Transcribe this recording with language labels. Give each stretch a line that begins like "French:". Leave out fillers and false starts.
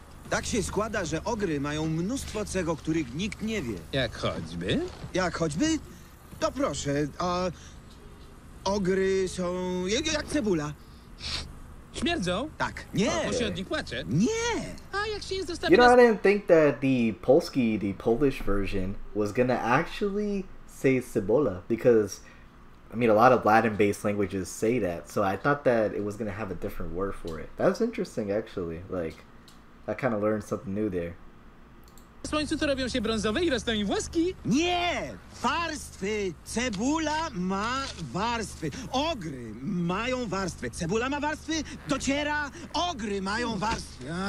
Polish: Tak się składa, że ogry mają mnóstwo cech, o których nikt nie wie. Jak choćby? Jak choćby? To proszę, a ogry są jak cebula. Śmierdzą? Tak. Nie. O, się od nich płacze? Nie. A jak się jest
English: dostępne... You know, I didn't think that the Polish version was gonna actually say cebola, because, I mean, a lot of Latin-based languages say that, so I thought that it was gonna have a different word for it. That was interesting, actually, like... I kind of learned something new there.
Polish: W słońcu to robią się brązowe i rosną im włoski? Nie! Warstwy! Cebula ma warstwy. Ogry mają warstwy. Cebula ma warstwy, dociera. Ogry mają warstwy.